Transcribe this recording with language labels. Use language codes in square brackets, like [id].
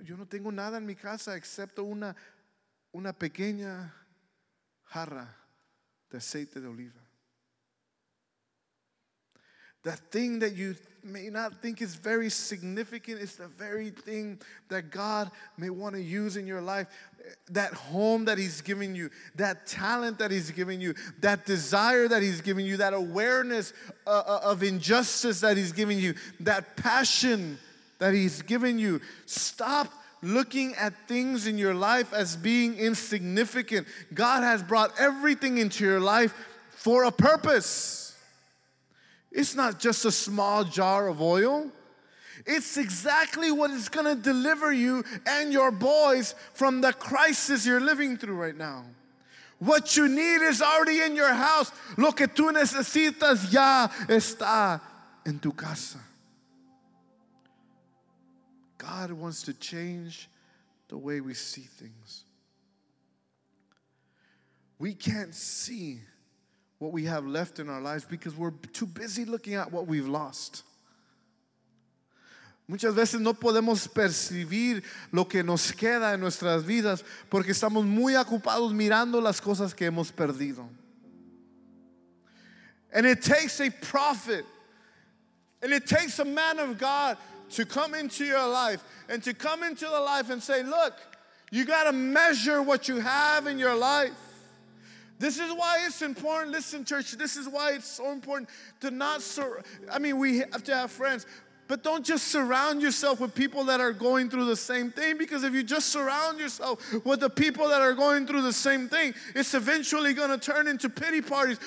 [es] Yo no tengo nada en mi casa excepto una pequeña jarra de aceite de oliva. [en] That thing that you may not think is very significant is the very thing that God may want to use in your life. That home that he's giving you, that talent that he's giving you, that desire that he's giving you, that awareness of injustice that he's giving you, that passion that he's given you. Stop looking at things in your life as being insignificant. God has brought everything into your life for a purpose. It's not just a small jar of oil. It's exactly what is going to deliver you and your boys from the crisis you're living through right now. What you need is already in your house. [es] Lo que tú necesitas ya está en tu casa. [en] God wants to change the way we see things. We can't see what we have left in our lives because we're too busy looking at what we've lost. [es] Muchas veces no podemos percibir lo que nos queda en nuestras vidas porque estamos muy ocupados mirando las cosas que hemos perdido. [en] And it takes a prophet, and it takes a man of God to come into your life and to come into the life and say, look, you got to measure what you have in your life. This is why it's important, listen, church, this is why it's so important to not, we have to have friends, but don't just surround yourself with people that are going through the same thing, because if you just surround yourself with the people that are going through the same thing, it's eventually going to turn into pity parties.